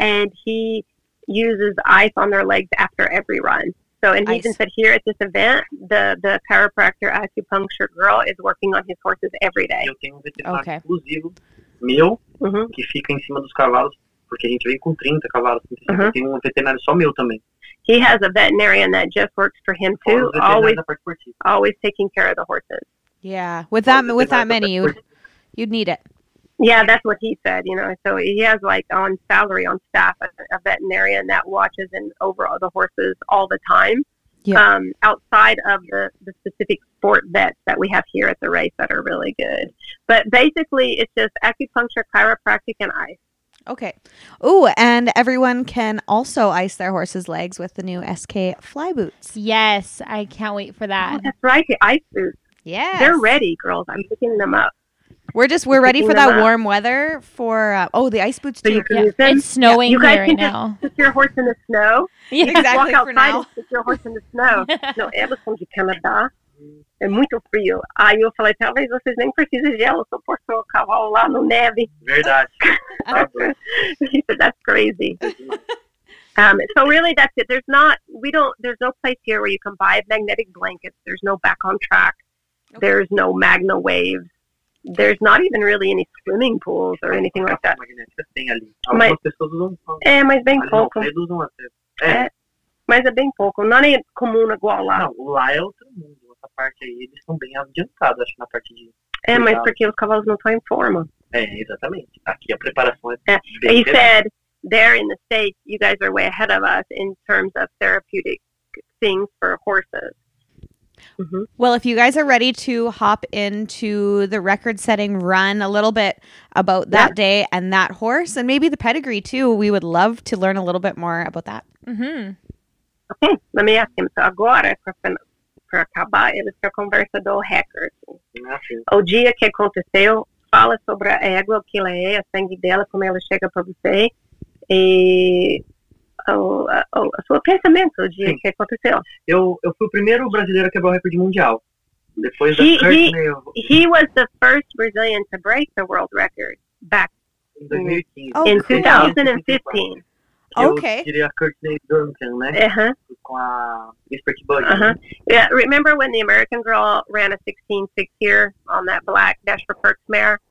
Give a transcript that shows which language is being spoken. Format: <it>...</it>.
<en>And he uses ice on their legs after every run. So, and he even said here at this event, the chiropractor acupuncture girl is working on his horses every day.</en> <pt>Eu tenho um veterinário exclusivo meu, uhum. Que fica em cima dos cavalos, porque a gente vem com 30 cavalos. Uhum. Eu tenho um veterinário só meu também.</pt> <en>He has a veterinarian that just works for him too, always taking care of the horses. Yeah, with that many, you'd need it. Yeah, that's what he said, you know. So he has, like, on salary, on staff, a veterinarian that watches and over the horses all the time. Yeah. Outside of the specific sport vets that we have here at the race that are really good. But basically, it's just acupuncture, chiropractic, and ice. Okay. Ooh, and everyone can also ice their horses' legs with the new SK Fly Boots. Yes, I can't wait for that. Oh, that's right, the ice boots. Yes. They're ready, girls. I'm picking them up. We're ready for that warm weather for, the ice boots too. So you can use them? It's snowing here right now. You guys can just stick your horse in the snow. Yeah, you can exactly walk outside and stick your horse in the snow.</en> <pt>No, Amazon de Canada. É muito frio. Aí eu falei, talvez vocês nem precisem de ela, só por seu cavalo lá no neve. Verdade.</pt> <en>He said, that's crazy. So really, that's it. There's no place here where you can buy magnetic blankets. There's no back on track. Okay. There's no Magna waves. There's not even really any swimming pools or anything like that.</en> <pt>Mas bem pouco. Mas é bem pouco. Não é comum igual lá. Não, lá é outro mundo. Essa parte aí, eles estão bem adiantados, acho, na parte de... É, mas porque os cavalos não estão em forma. É, exatamente. Aqui a preparação é...</pt> <en>He said, there in the States, you guys are way ahead of us in terms of therapeutic things for horses. Mm-hmm. Well, if you guys are ready to hop into the record-setting run, a little bit about that day and that horse, and maybe the pedigree too, we would love to learn a little bit more about that. Mm-hmm. Okay, let me ask him.</en> <pt>So, agora, para acabar, ele está conversando do record. O dia que aconteceu, fala sobre a égua, o que ela é, a sangue dela, como ela chega para você, e... O seu pensamento de o que aconteceu. Eu fui o primeiro brasileiro a quebrar o recorde mundial. Depois da</pt> <en>He was the first Brazilian to break the world record back in 2015. Oh, in 2015. Okay.</en> <pt>Eu tirei a Courtney Duncan, né? Com a Miss Pretty Buggy.</pt> <en>Yeah, remember when the American girl ran a 16.6 here on that black Dash for Perks mare?</en>